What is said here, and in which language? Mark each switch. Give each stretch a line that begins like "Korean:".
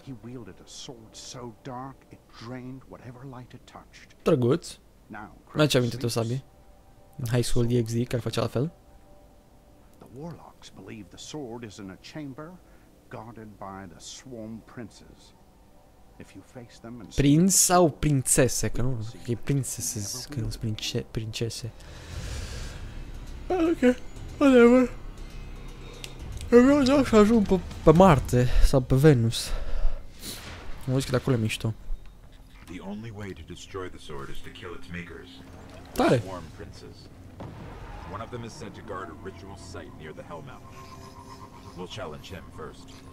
English: He wielded a sword so dark it drained whatever light it touched.
Romanian: Drăguț. Mi-a ce aminte tu, Sabi? În High School DxD, care făcea la fel?
English: Warlocks believe the sword is in a chamber guarded by the swarm princes. If you face them and prince
Romanian: sau princese, că nu, e princesses, că nu princese.
English: Ok, whatever.
Romanian: Eu vreau să ajung pe Marte sau pe Venus. Mă zic că de acolo e mișto.
English: The only way to destroy the sword is to kill its makers.
Romanian: Tare.
English: Swarm princes. One of them is said to guard a ritual site near the Hellmouth. We'll challenge him first.